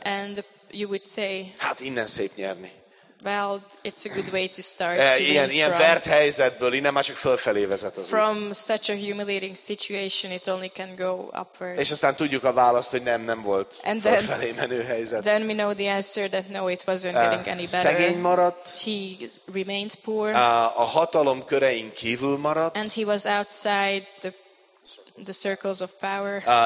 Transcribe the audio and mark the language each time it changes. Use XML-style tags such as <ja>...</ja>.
<en>And you would say.</en> <hu>Hát innen szép nyerni.</hu> <en>Well, it's a good way to start.</en> <hu>Ilyen vert helyzetből, innen már csak fölfelé vezet az út.</hu> <en>From such a humiliating situation, it only can go upward.</en> <hu>És aztán tudjuk a választ, hogy nem volt fölfelé menő helyzet.</hu> <en>Then we know the answer that no, it wasn't getting any better.</en> <hu>Szegény maradt.</hu> <en>He remained poor.</en> <hu>A hatalom körein kívül maradt.</hu> <en>And he was outside the circles of power.</en>